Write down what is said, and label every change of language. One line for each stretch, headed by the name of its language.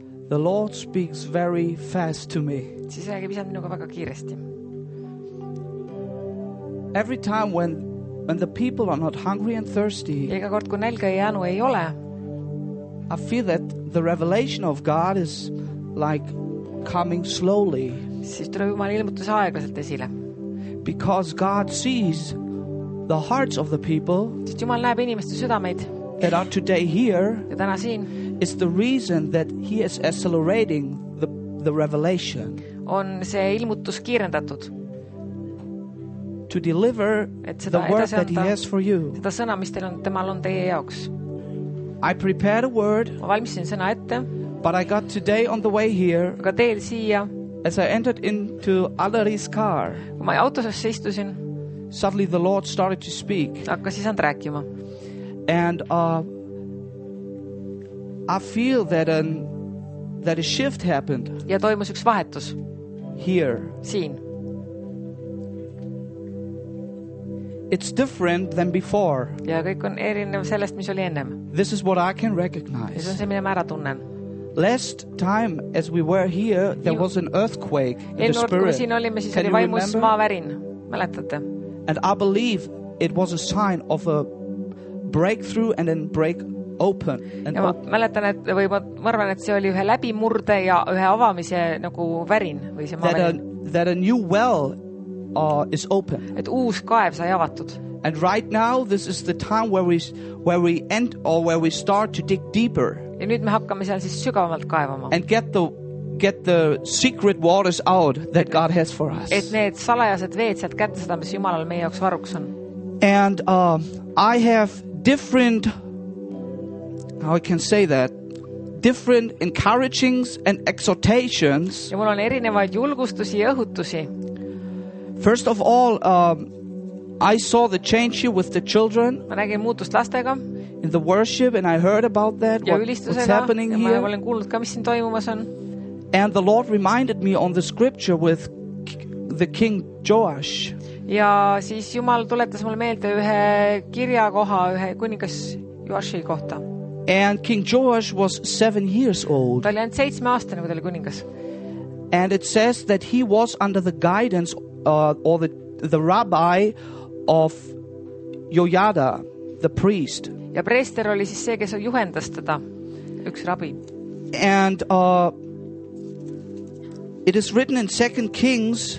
English: the Lord speaks very fast to me.
Estonian: Siis räägib isand minuga väga kiiresti.
English: Every time when the people are not hungry and thirsty,
Estonian: iga kord kui nälga ja janu ei ole,
English: I feel that the revelation of God is like coming slowly.
Estonian: Siis tuleb Jumal ilmutus aeglaselt esile.
English: Because God sees the hearts of the people.
Estonian: Siis Jumal näeb inimeste südameid.
English: That are today here.
Estonian: Ja täna siin.
English: It's the reason that he is accelerating the revelation.
Estonian: On see ilmutus kiirendatud.
English: To deliver the word that he has for you.
Estonian: Seda sõna, mis teil on, temal on teie jaoks.
English: I prepared a word.
Estonian: Ma valmisin sõna ette.
English: But I got today on the way here.
Estonian: Aga teel siia.
English: As I entered into Adari's car.
Estonian: Kui ma autosesse istusin.
English: Suddenly the Lord started to speak.
Estonian: Hakkas isand rääkima.
English: And I feel that a shift happened.
Estonian: Ja toimus üks vahetus.
English: Here.
Estonian: Siin.
English: It's different than before.
Estonian: Ja kõik on erinev sellest, mis oli ennem.
English: This is what I can recognize.
Estonian: See on see, mida ma ära tunnen.
English: Last time as we were here, there was an earthquake in the spirit.
Estonian: Siin olime, siis oli vaimus maa värin. Mäletate?
English: And I believe it was a sign of a breakthrough and then break open. And
Estonian: ja ma mäletan, et või ma arvan, et see oli ühe läbimurde ja ühe avamise nagu värin või see maa värin.
English: That a new well is open.
Estonian: Et uus kaev sai avatud.
English: And right now this is the time where we end or where we start to dig deeper.
Estonian: Ja nüüd me hakkame seal siis sügavamalt kaevama.
English: And get the secret waters out that God has for us.
Estonian: Et need salajased veed sealt kätte seda, mis Jumalal meie jaoks varuks on.
English: And I have different, how I can say that, different encouragings and exhortations.
Estonian: Ja mul on erinevaid julgustusi ja õhutusi.
English: First of all, I saw the change here with the children.
Estonian: Ma nägin muutust lastega.
English: In the worship, and I heard about that.
Estonian: Ja
English: what's happening
Estonian: ja
English: here?
Estonian: Ma olen kuulnud ka, mis siin toimumas on.
English: And the Lord reminded me on the scripture with the King Joash.
Estonian: Ja siis Jumal tuletas mulle meelde ühe kirja koha, ühe kuningas Joashi kohta.
English: And King Joash was 7 years old.
Estonian: Ta oli ainult 7-aastane, kui ta oli kuningas.
English: And it says that he was under the guidance or the rabbi of Jojada, the priest.
Estonian: Ja preester oli siis see, kes juhendas teda, üks rabbi.
English: And it is written in 2 Kings.